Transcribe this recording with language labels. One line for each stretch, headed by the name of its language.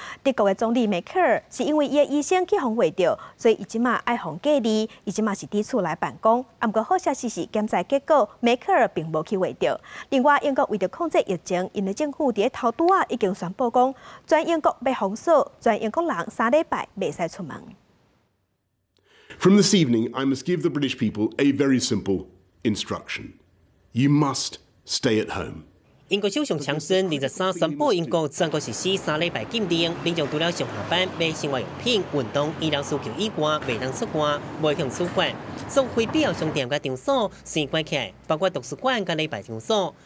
Min Nan Chinese: 德国的总理梅克尔是因为他的医生去防卫着，所以他现在要防隔离，他现在是在家来办公。不过好消息是检查结果梅克尔并没去卫着。另外英国为了控制疫情，他们的政府在头拄仔已经宣布说全英国要封锁，全英国人3礼拜不能出门。
English: From this evening, I must give the British people a very simple instruction. You must stay at home.
Min Nan Chinese: 英国首相强森23日宣布英国全国实施3礼拜禁令，民众除了上下班、买生活用品、运动、医疗需求以外，未能出门，未向出馆。所有非必要商店和场所先关起来，包括图书馆和礼拜场所。